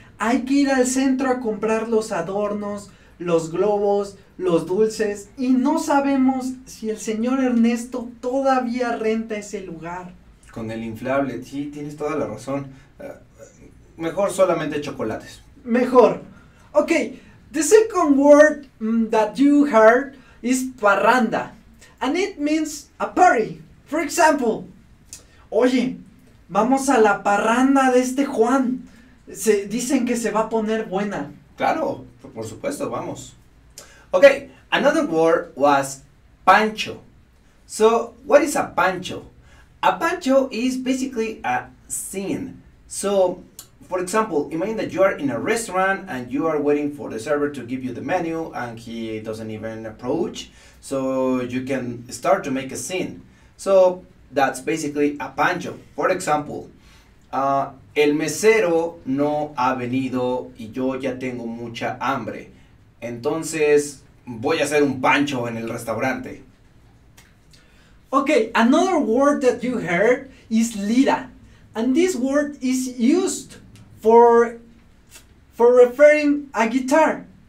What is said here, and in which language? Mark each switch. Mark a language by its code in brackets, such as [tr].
[es] Hay que ir al centro a comprar los adornos, los globos, los dulces y no sabemos si el señor Ernesto todavía renta ese lugar. Con el inflable, sí, tienes toda la razón. Mejor solamente chocolates. Mejor. Ok, [en] The second word that you heard is parranda, and it means a party. For example, [es] oye, vamos a la parranda de este Juan. Se dicen que se va a poner buena. Claro, por supuesto, vamos. [en] Ok, another word was [es] pancho. [en] So, what is a pancho? A pancho is basically a scene. So, for example, imagine that you are in a restaurant and you are waiting for the server to give you the menu and he doesn't even approach. So, you can start to make a scene. So, that's basically a pancho. For example, [es] el mesero no ha venido y yo ya tengo mucha hambre. Entonces, voy a hacer un pancho en el restaurante. [en] Okay, another word that you heard is lira. And this word is used for referring a guitar.